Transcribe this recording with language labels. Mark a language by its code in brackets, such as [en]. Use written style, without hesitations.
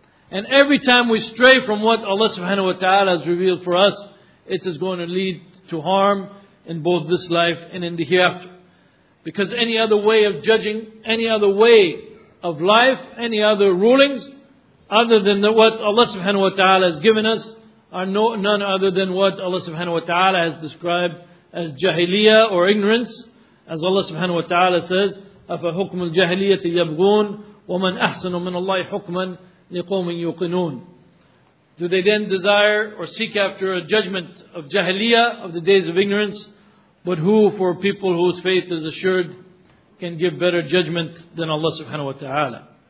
[en] And every time we stray from what Allah subhanahu wa ta'ala has revealed for us, it is going to lead to harm in both this life and in the hereafter. Because any other way of judging, any other way of life, any other rulings, other than what Allah subhanahu wa ta'ala has given us, are none other than what Allah subhanahu wa ta'ala has described as jahiliyyah or ignorance. As Allah subhanahu wa ta'ala says, [ar] أَفَحُكْمُ الْجَهِلِيَّةِ يَبْغُونَ وَمَنْ أَحْسَنُ مِنَ اللَّهِ حُكْمًا لِقَوْمٍ يُقِنُونَ. [en] Do they then desire or seek after a judgment of jahiliyyah, of the days of ignorance? But who for people whose faith is assured can give better judgment than Allah subhanahu wa ta'ala?